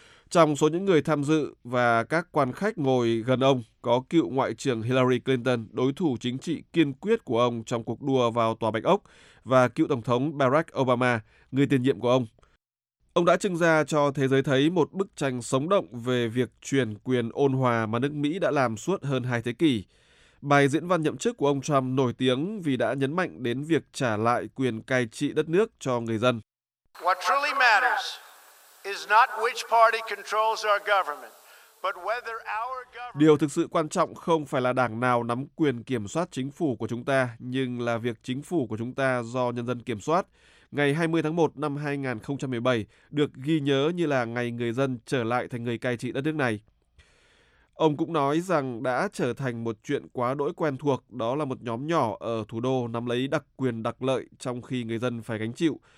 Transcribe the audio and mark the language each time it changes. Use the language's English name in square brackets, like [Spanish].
[Vietnamese] Trong số những người tham dự và các quan khách ngồi gần ông có cựu Ngoại trưởng Hillary Clinton, đối thủ chính trị kiên quyết của ông trong cuộc đua vào Tòa Bạch Ốc, và cựu Tổng thống Barack Obama, người tiền nhiệm của ông. Ông đã trưng ra cho thế giới thấy một bức tranh sống động về việc chuyển quyền ôn hòa mà nước Mỹ đã làm suốt hơn hai thế kỷ. Bài diễn văn nhậm chức của ông Trump nổi tiếng vì đã nhấn mạnh đến việc trả lại quyền cai trị đất nước cho người dân. [English] What truly matters is not which party controls our government, but whether our government... [Vietnamese] Điều thực sự quan trọng không phải là đảng nào nắm quyền kiểm soát chính phủ của chúng ta, nhưng là việc chính phủ của chúng ta do nhân dân kiểm soát. Ngày 20 tháng 1 năm 2017 được ghi nhớ như là ngày người dân trở lại thành người cai trị đất nước này. Ông cũng nói rằng đã trở thành một chuyện quá đỗi quen thuộc, đó là một nhóm nhỏ ở thủ đô nắm lấy đặc quyền đặc lợi trong khi người dân phải gánh chịu.